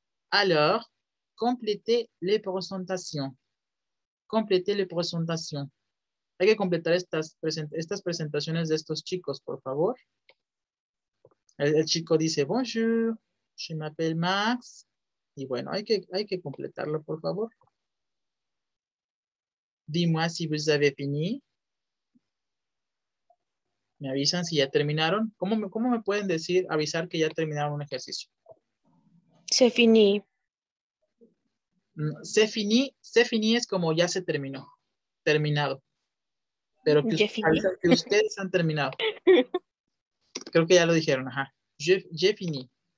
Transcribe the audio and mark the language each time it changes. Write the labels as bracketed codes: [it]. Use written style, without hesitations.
[fr] Alors, complétez les présentations. Complétez les présentations. [es] Hay que completar estas presentaciones de estos chicos, por favor. El chico dice, [fr] bonjour, je m'appelle Max. [es] Y bueno, hay que completarlo, por favor. [fr] Dis-moi si vous avez fini. [es] Me avisan si ya terminaron. ¿Cómo me pueden decir, avisar que ya terminaron un ejercicio? [fr] Se finí. Se finí [es] es como ya se terminó. Terminado. Pero que ustedes han terminado. Creo que ya lo dijeron. Ajá. [fr] Je finí.